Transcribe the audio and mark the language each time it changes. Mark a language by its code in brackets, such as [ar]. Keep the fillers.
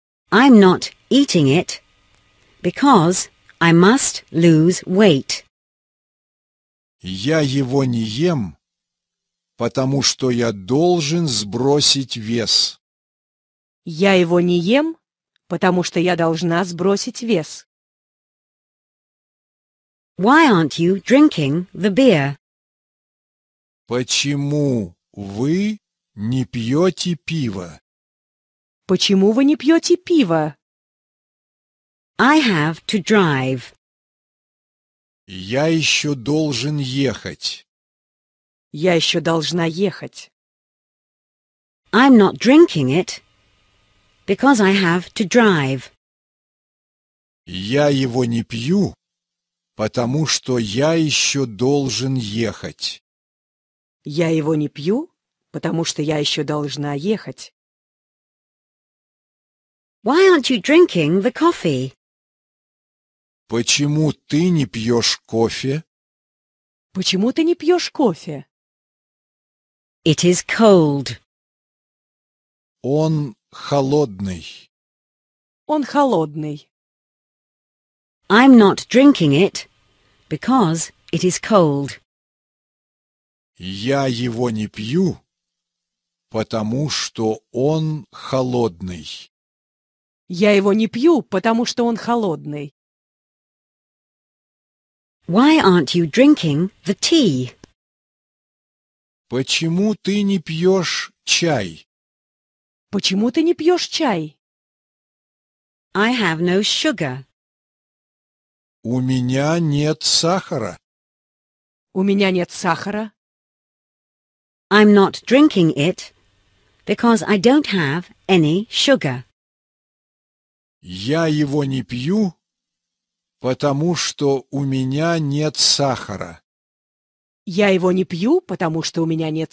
[en] I'm not eating it because I must lose weight. [ru] Я его не ем, потому что я должен сбросить вес. Я его не ем, потому что я должна сбросить вес. [en] Why aren't you drinking the beer? [ru] Почему вы не пьете пиво? Почему вы не пьете пиво? [en] I have to drive. [ru] Я еще должен ехать. Я еще должна ехать. [en] I'm not drinking it, because I have to drive. [ru] Я его не пью, потому что я еще должен ехать. Я его не пью, потому что я еще должна ехать. [en] Why aren't you drinking the coffee? [ru] Почему ты не пьешь кофе? Почему ты не пьешь кофе? [en] It is cold. [ru] Он холодный. Он холодный. [en] I'm not drinking it, because it is cold. [ru] Я его не пью, потому что он холодный. Я его не пью, потому что он холодный. [en] Why aren't you drinking the tea? [ru] Почему ты не пьешь чай? Почему ты не пьешь чай? [en] I have no sugar. [ru] У меня нет сахара. У меня нет сахара. [en] I'm not drinking it because I don't have any sugar. [ru] Я его не пью, потому что у меня нет сахара. Я его не пью, потому что у меня нет